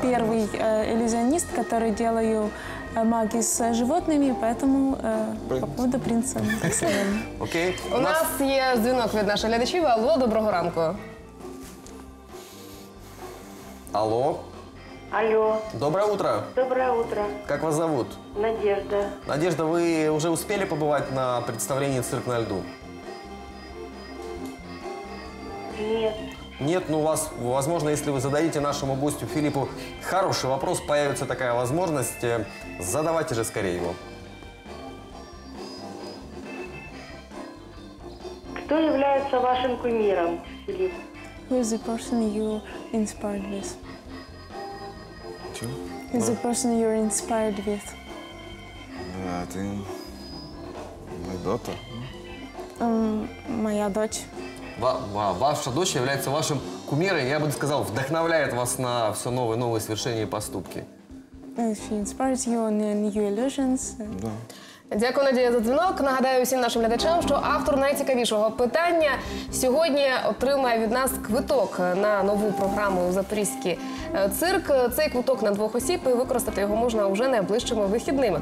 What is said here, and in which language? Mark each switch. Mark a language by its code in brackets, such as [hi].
[ru] Первый иллюзионист, который делаю маги с животными, поэтому по поводу принца. Окей. [uk] У нас є дзвінок від наших глядачів. Алло, доброго ранку. Алло. Алло. [ru] Доброе утро. Доброе утро. Как вас зовут? Надежда. Надежда, вы уже успели побывать на представлении «Цирк на льду»? Нет. Нет, но у вас, возможно, если вы зададите нашему гостю Филиппу хороший вопрос, появится такая возможность. Задавайте же скорее его. Кто является вашим кумиром, Филипп? [en] Who is the person you inspired with? Who is the person you're inspired with? Yeah, I think my daughter. [ru] Моя дочь. Ваша дочь является вашим кумиром, я бы сказал, вдохновляет вас на все новые, новые свершения и поступки. [en] She inspires you on new illusions. [uk] Дякую, Надія, за дзвінок. Нагадаю всім нашим глядачам, що автор найцікавішого питання сьогодні отримає від нас квиток на нову програму «Запорізький цирк». Цей квиток на двох осіб і використати його можна вже найближчими вихідними.